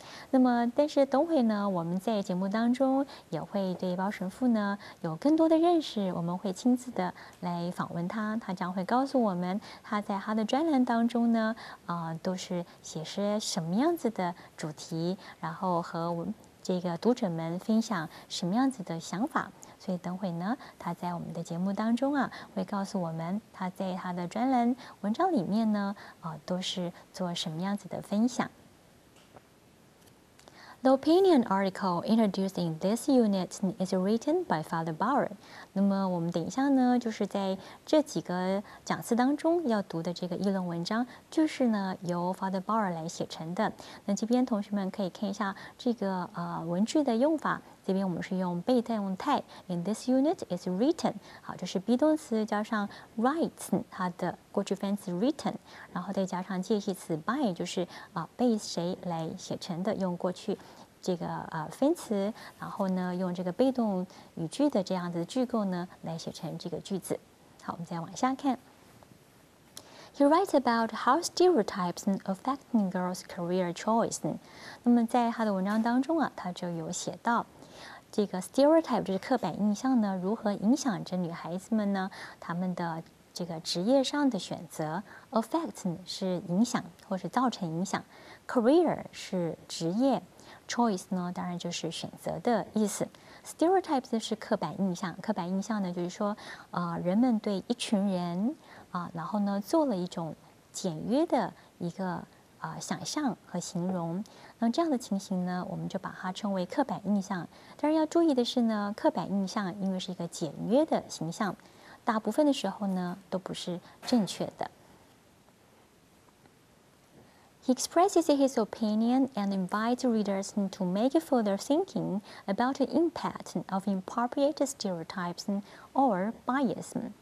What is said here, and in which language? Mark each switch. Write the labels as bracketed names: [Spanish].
[Chinese] 那么但是等会呢我们在节目当中也会对包神父呢有更多的认识，我们会亲自的来访问他，他将会告诉我们他在他的专栏当中呢都是写些什么样子的主题，然后和这个读者们分享什么样子的想法。所以等会呢他在我们的节目当中啊会告诉我们他在他的专栏文章里面呢都是做什么样子的分享。 [English] The opinion article introduced in this unit is written by Father Bauer. [Chinese] 那么我们等一下呢，就是在这几个讲次当中要读的这个议论文章，就是呢由 Father Bauer 来写成的。那这边同学们可以看一下这个文句的用法。这边我们是用被动态 ， in this unit is written，好，这是 be 动词加上 write， 它的过去分词 written， 然后再加上介系词 by， 就是被谁来写成的，用过去这个分词，然后呢用这个被动语句的这样子句构呢来写成这个句子。好，我们再往下看。 [English] He writes about how stereotypes affect girls' career choice。 [Chinese] 那么在他的文章当中啊，他就有写到。这个 stereotype 就是刻板印象呢，如何影响着女孩子们呢？她们的这个职业上的选择 ，affect 是影响或是造成影响 ，career 是职业 ，choice 呢当然就是选择的意思。 stereotypes 是刻板印象，刻板印象呢就是说，人们对一群人然后呢做了一种简约的一个想象和形容。那这样的情形呢我们就把它称为刻板印象。当然要注意的是呢，刻板印象因为是一个简约的形象，大部分的时候呢都不是正确的。 [English] He expresses his opinion and invites readers to make further thinking about the impact of inappropriate stereotypes or bias。